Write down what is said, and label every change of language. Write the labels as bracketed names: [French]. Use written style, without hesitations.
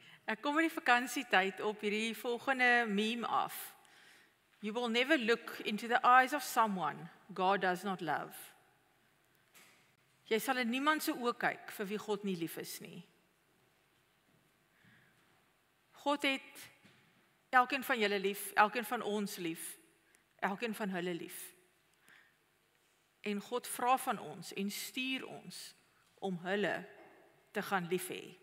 [Afrikaans] Ek kom in die vakansietyd op hierdie volgende meme af. [English] You will never look into the eyes of someone God does not love. [Afrikaans] Jy sal in niemand se oë kyk vir wie God nie lief is nie. God het elkeen van julle lief, elkeen van ons lief, elkeen van hulle lief. En God vra van ons en stuur ons om hulle te gaan lief hê.